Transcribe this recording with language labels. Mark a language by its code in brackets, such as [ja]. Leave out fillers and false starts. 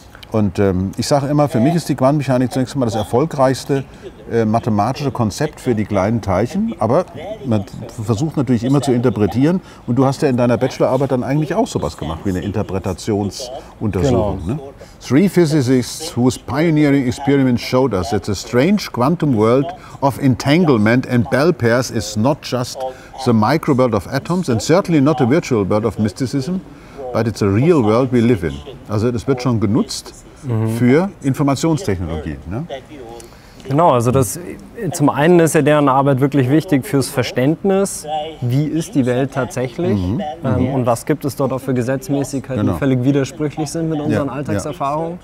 [de] Und ich sage immer, für mich ist die Quantenmechanik zunächst einmal das erfolgreichste mathematische Konzept für die kleinen Teilchen. Aber man versucht natürlich immer zu interpretieren. Und du hast ja in deiner Bachelorarbeit dann eigentlich auch sowas gemacht, wie eine Interpretationsuntersuchung. Genau. Ne? [en] Three physicists whose pioneering experiments showed us that the strange quantum world of entanglement and Bell pairs is not just the micro world of atoms and certainly not a virtual world of mysticism. But it's a real world we live in. [de] Also das wird schon genutzt für Informationstechnologie. Ne? Genau, also das, zum einen ist ja deren Arbeit wirklich wichtig fürs Verständnis, wie ist die Welt tatsächlich und was gibt es dort auch für Gesetzmäßigkeiten, die völlig widersprüchlich sind mit unseren Alltagserfahrungen.